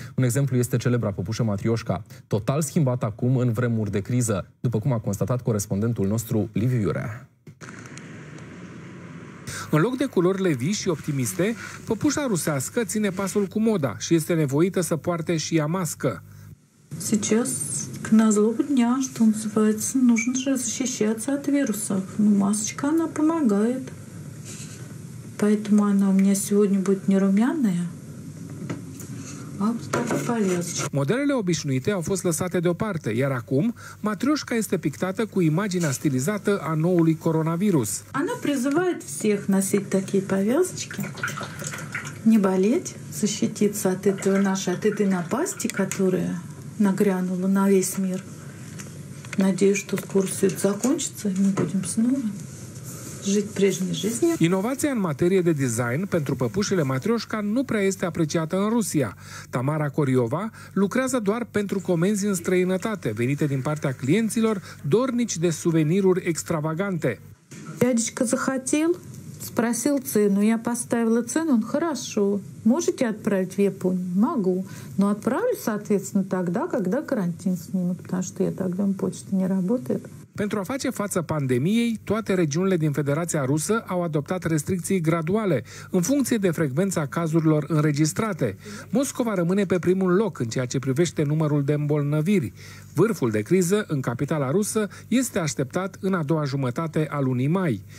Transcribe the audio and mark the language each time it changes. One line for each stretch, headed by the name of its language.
Romanian: Un exemplu este celebra păpușă Matrioșca, total schimbată acum în vremuri de criză, după cum a constatat corespondentul nostru Liviu Iurea. În loc de culorile vii și optimiste, păpușa rusească ține pasul cu moda și este nevoită să poarte și ea mască.
Russian: Сейчас к назлобу дня, что называется, нужно же защищаться от вирусов. Но масочка, она помогает. Поэтому она у меня сегодня будет не румяная, а вот так полезочка.
Romanian: Modelele obișnuite au fost lăsate deoparte, iar acum Матрешка este pictată cu imaginea stilizată a noului coronavirus.
Russian: Она призывает всех носить такие повязочки, не болеть, защититься от этого нашей, от этой напасти, которая... нагрянула на весь мир. Надеюсь, что скоро все это закончится, и мы будем снова жить прежней жизнью.
Romanian: Inovația în materie de design pentru păpușile Matrioșca nu prea este apreciată în Rusia. Tamara Coriova lucrează doar pentru comenzi în străinătate, venite din partea clienților dornici de suveniruri extravagante.
Russian: Дядечка захотел, спросил цену. Я поставила цену, он хорошо. Можете отправить в Японию? Могу. Но отправлю, соответственно, тогда, когда карантин снимут, потому что я тогда на почте не работает.
Romanian: Pentru a face față pandemiei, toate regiunile din Federația Rusă au adoptat restricții graduale, în funcție de frecvența cazurilor înregistrate. Moscova rămâne pe primul loc în ceea ce privește numărul de îmbolnăviri. Vârful de criză în capitala rusă este așteptat în a doua jumătate a lunii mai.